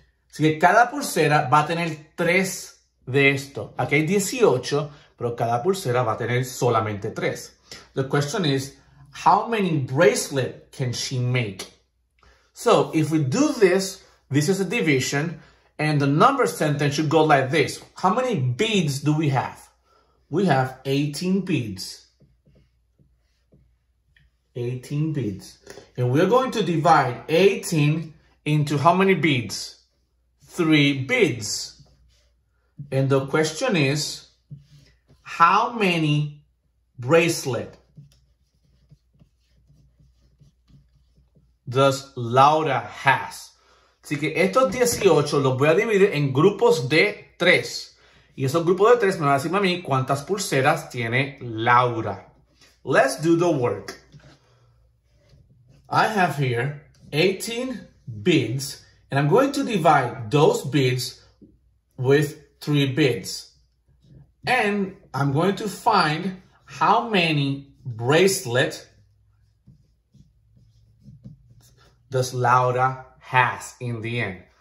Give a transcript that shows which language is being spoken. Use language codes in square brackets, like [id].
[es] Así que cada pulsera va a tener 3 de esto. Aquí hay 18, pero cada pulsera va a tener solamente 3. [en] The question is, how many bracelets can she make? So, if we do this, this is a division, and the number sentence should go like this. How many beads do we have? We have 18 beads. 18 beads. And we're going to divide 18 into how many beads? 3 beads. And the question is, how many bracelets does Laura has? [es] Así que estos 18 los voy a dividir en grupos de 3. Y esos grupos de 3 me van a decir a mí cuántas pulseras tiene Laura. [en] Let's do the work. I have here 18 beads, and I'm going to divide those beads with 3 beads. And I'm going to find how many bracelets does Laura has in the end.